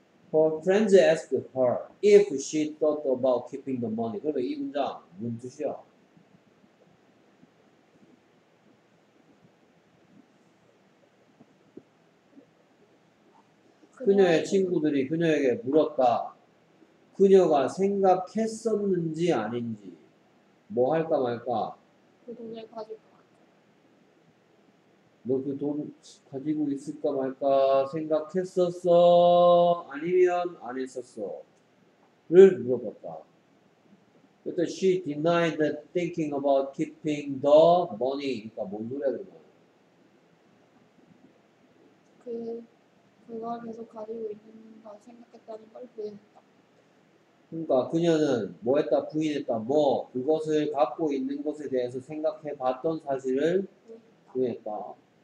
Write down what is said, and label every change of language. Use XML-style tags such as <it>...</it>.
<en>Her friends asked her if she thought about keeping the money.</en> <ko>그러면 이 문장 무슨 뜻이야? 그녀의 친구들이 그녀에게 물었다. 그녀가 생각했었는지 아닌지 뭐 할까 말까? 그 돈을 가질까 말까? 너 그 돈 가지고 있을까 말까 생각했었어? 아니면 안 했었어? 를 물어봤다.</ko> <en>But she denied that thinking about keeping the money.</en> <ko>그러니까 뭔 소리야 그러면? 그걸 계속 가지고 있는가 생각했다는 걸 부인했다. 그러니까 그녀는 뭐 했다 부인했다 뭐 그것을 갖고 있는 것에 대해서 생각해 봤던 사실을 부인했다.</ko>